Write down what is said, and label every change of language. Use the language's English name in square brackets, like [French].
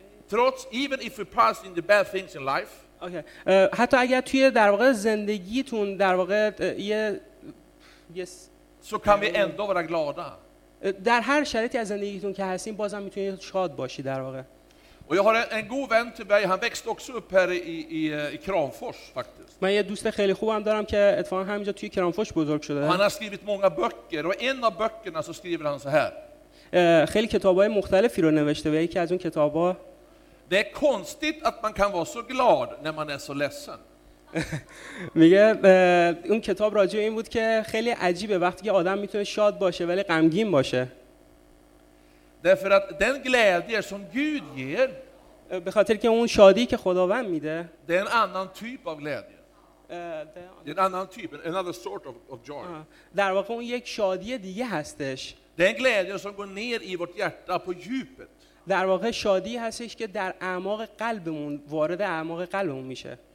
[English] Trots even if we pass in the bad things in life. Okay. [Persian] حتی اگر توی در واقع زندگیتون در واقع یه [English] Yes. [Swedish] Så kan vi ändå vara glada. [Persian] در هر شرایطی از زندگیتون که هستین بازم میتونید شاد باشی در واقع. [Swedish] Och jag har en god vän till mig. Han växte också upp här i Kramfors faktiskt. [Persian] من یه دوست خیلی خوبم دارم که اتفاقا همینجا توی کرامفورس بزرگ شده. [Swedish] Han har skrivit många böcker och en av böckerna så skriver han så här. [Persian] خیلی کتابای مختلفی رو نوشته و یکی از اون کتابا [Swedish] Det är konstigt att man kan vara så glad när man är så ledsen. [Persian] میگه اون کتاب راجع این بود که خیلی عجیبه وقتی که آدم میتونه شاد باشه ولی غمگین باشه. [Swedish] Därför att den glädje som Gud ger, [Persian] به خاطر که اون شادی که خداوند میده, [Swedish] det är en annan typ av glädje. Det är en annan typ, [English] another sort of joy. [Persian] در واقع اون یک شادی دیگه هستش. [Swedish] Den glädje som går ner i vårt hjärta på djupet. [Persian] در واقع شادی هستش که در اعماق قلبمون وارد اعماق قلبمون میشه.